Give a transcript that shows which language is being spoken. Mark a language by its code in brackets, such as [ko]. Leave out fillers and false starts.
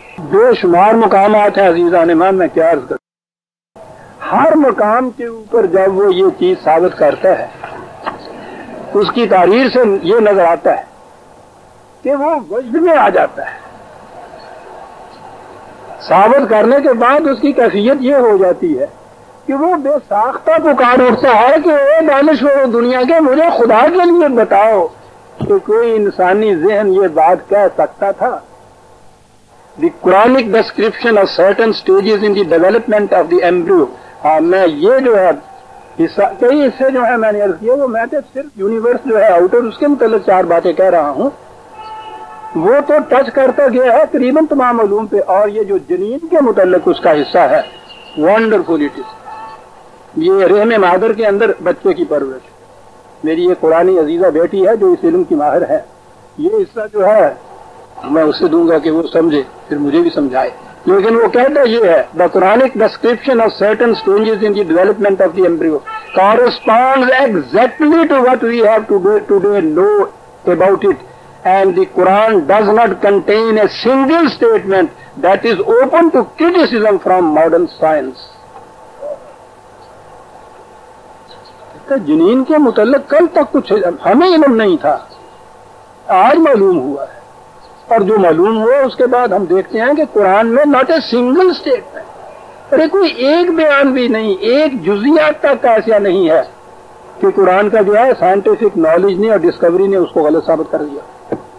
[ur] بے شمار مقامات ہیں عزیزان ایمان، میں کیا عرض کروں، ہر مقام کے اوپر جب وہ یہ چیز ثابت کرتا ہے اس کی تاریخ سے یہ نظر آتا ہے کہ وہ وجد میں آ جاتا ہے، ثابت کرنے کے بعد اس کی کیفیت یہ ہو جاتی ہے کہ وہ بے ساختہ پکار اٹھتا ہے کہ اے دانشور دنیا کے، مجھے خدا کے لیے بتاؤ کہ کوئی انسانی ذہن یہ بات کہہ سکتا تھا. [en] The Quranic description of certain stages in the development of the embryo. [ur] ہاں میں یہ جو ہے حصہ کئی حصے جو ہے میں نے عرض کیا، وہ میں تو صرف یونیورس جو ہے آؤٹر اس کے متعلق چار باتیں کہہ رہا ہوں، وہ تو ٹچ کرتا گیا ہے تقریباً تمام علوم پہ، اور یہ جو جنین کے متعلق اس کا حصہ ہے ونڈر فلیٹس، یہ رحم مادر کے اندر بچے کی پرورش. میری یہ قرآنی عزیزہ بیٹی ہے جو اس علم کی ماہر ہے، یہ حصہ جو ہے میں اسے دوں گا کہ وہ سمجھے پھر مجھے بھی سمجھائے. [en] لیکن وہ کہتا یہ ہے the Quranic description of certain stages in the development of the embryo corresponds exactly to what we have today know about it. And the Quran does not contain a single statement that is open to criticism from modern science. [ur] کہ جنین کے متعلق کل تک کچھ ہمیں علم نہیں تھا، آج معلوم ہوا ہے، اور جو معلوم ہوا اس کے بعد ہم دیکھتے ہیں کہ قرآن میں [en] not a single statement، [ur] ارے کوئی ایک بیان بھی نہیں، ایک جزیات تک ایسا نہیں ہے کہ قرآن کا جو ہے سائنٹیفک نالج نے اور ڈسکوری نے اس کو غلط ثابت کر دیا.